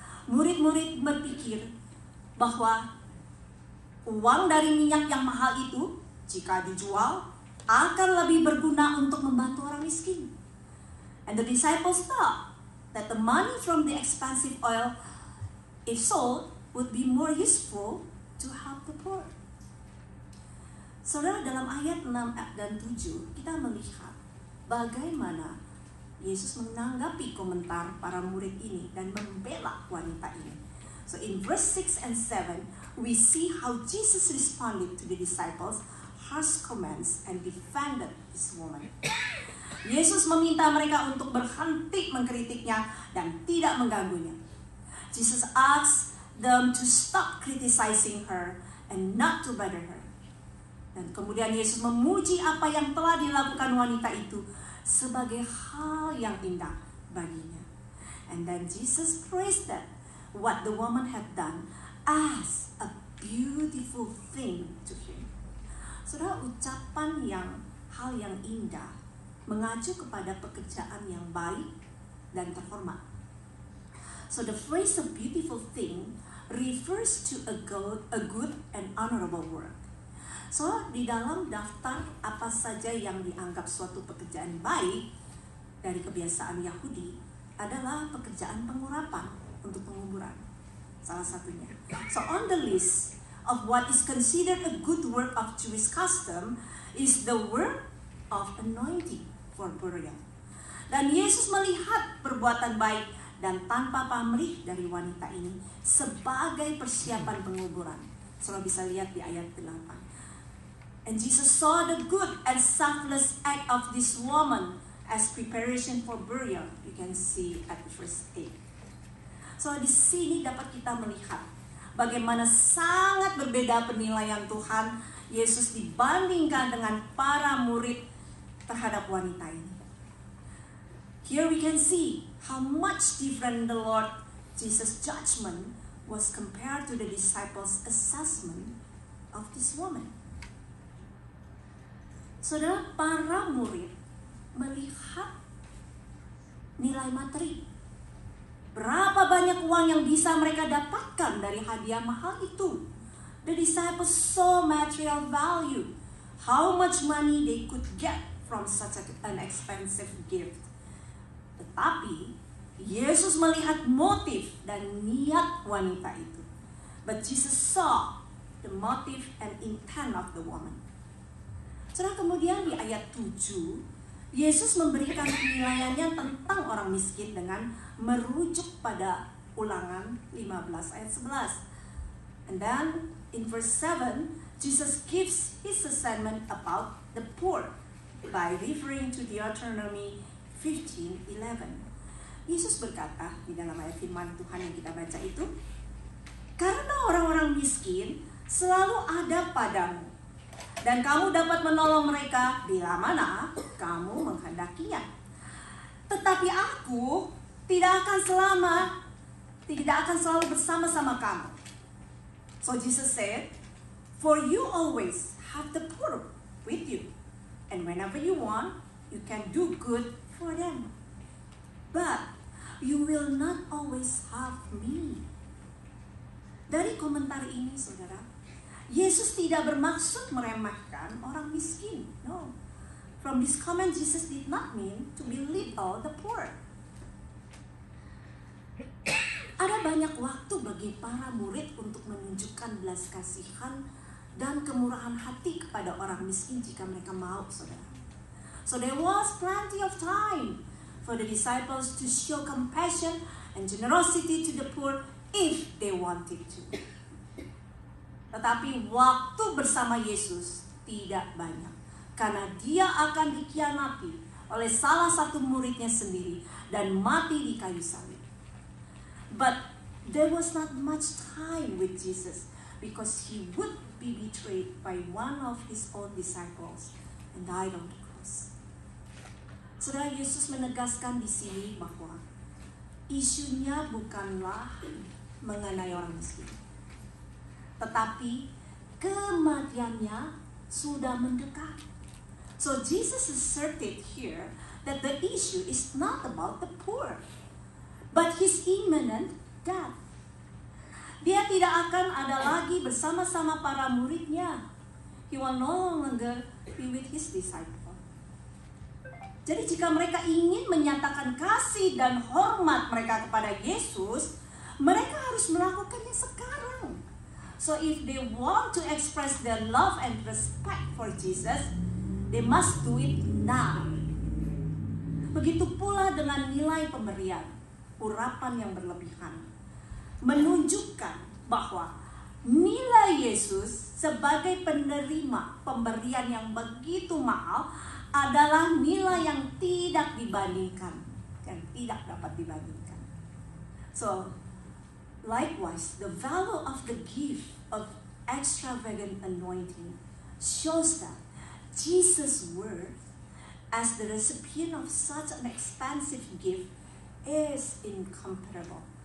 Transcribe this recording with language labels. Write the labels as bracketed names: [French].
[Indonesian] Murid-murid berpikir bahwa uang dari minyak yang mahal itu, jika dijual, akan lebih berguna untuk membantu orang miskin. [English] And the disciples thought that the money from the expensive oil, if sold, would be more useful to help the poor. [Indonesian] Saudara, dalam ayat 6 dan 7, kita melihat bagaimana Yesus menanggapi komentar para murid ini dan membela wanita ini. [English] So in verse 6 and 7, we see how Jesus responded to the disciples' harsh comments and defended this woman. [Indonesian] Yesus meminta mereka untuk berhenti mengkritiknya dan tidak mengganggunya. [English] Jesus asked them to stop criticizing her and not to bother her. [Indonesian] Dan kemudian Yesus memuji apa yang telah dilakukan wanita itu sebagai hal yang indah baginya. [English] And then Jesus praised that what the woman had done as a beautiful thing to him. [Indonesian] Saudara, ucapan yang hal yang indah mengacu kepada pekerjaan yang baik dan terhormat. [English] So the phrase a beautiful thing refers to a good and honorable work. [Indonesian] So di dalam daftar apa saja yang dianggap suatu pekerjaan baik dari kebiasaan Yahudi adalah pekerjaan pengurapan untuk penguburan, salah satunya. [English] So on the list of what is considered a good work of Jewish custom is the work of anointing for burial. [Indonesian] Dan Yesus melihat perbuatan baik dan tanpa pamrih dari wanita ini sebagai persiapan penguburan. Saudara bisa lihat di ayat 8. [English] And Jesus saw the good and selfless act of this woman as preparation for burial. You can see at verse 8. [Indonesian] So di sini dapat kita melihat bagaimana sangat berbeda penilaian Tuhan Yesus dibandingkan dengan para murid terhadap wanita ini. [English] Here we can see how much different the Lord Jesus' judgment was compared to the disciples' assessment of this woman. [Indonesian] Saudara, para murid melihat nilai materi. Berapa banyak uang yang bisa mereka dapatkan dari hadiah mahal itu? [English] The disciples saw material value, how much money they could get from such an expensive gift. [Indonesian] Tetapi Yesus melihat motif dan niat wanita itu. [English] But Jesus saw the motive and intent of the woman. [Indonesian] Setelah kemudian di ayat 7, Yesus memberikan penilaiannya tentang orang miskin dengan merujuk pada Ulangan 15 ayat 11. [English] And then in verse 7, Jesus gives his assignment about the poor by referring to Deuteronomy 15:11. [Indonesian] Yesus berkata di dalam ayat firman Tuhan yang kita baca itu, "Karena orang-orang miskin selalu ada padamu, dan kamu dapat menolong mereka bila mana kamu menghendakinya. Tetapi aku tidak akan selalu bersama-sama kamu. [English] So Jesus said, for you always have the poor with you, and whenever you want, you can do good for them. But you will not always have me. [Indonesian] Dari komentar ini, saudara, Yesus tidak bermaksud meremehkan orang miskin. [English] No. From this comment, Jesus did not mean to belittle the poor. [Indonesian] Ada banyak waktu bagi para murid untuk menunjukkan belas kasihan dan kemurahan hati kepada orang miskin jika mereka mau, saudara. [English] So there was plenty of time for the disciples to show compassion and generosity to the poor if they wanted to. [Indonesian] Tetapi waktu bersama Yesus tidak banyak, karena dia akan dikhianati oleh salah satu muridnya sendiri dan mati di kayu salib. [English] But there was not much time with Jesus because he would be betrayed by one of his own disciples and died on the cross. [Indonesian] Saudara, Yesus menegaskan di sini bahwa isunya bukanlah mengenai orang miskin, tetapi kematiannya sudah mendekat. [English] So Jesus asserted here that the issue is not about the poor, but his imminent death. [Indonesian] Dia tidak akan ada lagi bersama-sama para muridnya. [English] He will no longer be with his disciple. [Indonesian] Jadi jika mereka ingin menyatakan kasih dan hormat mereka kepada Yesus, mereka harus melakukannya sekarang. [English] So if they want to express their love and respect for Jesus, they must do it now. [Indonesian] Begitu pula dengan nilai pemberian, urapan yang berlebihan, menunjukkan bahwa nilai Yesus sebagai penerima pemberian yang begitu mahal adalah nilai yang tidak dibandingkan, yang tidak dapat dibandingkan. [English] So, likewise, the value of the gift of extravagant anointing shows that Jesus' worth as the recipient of such an expensive gift is incomparable.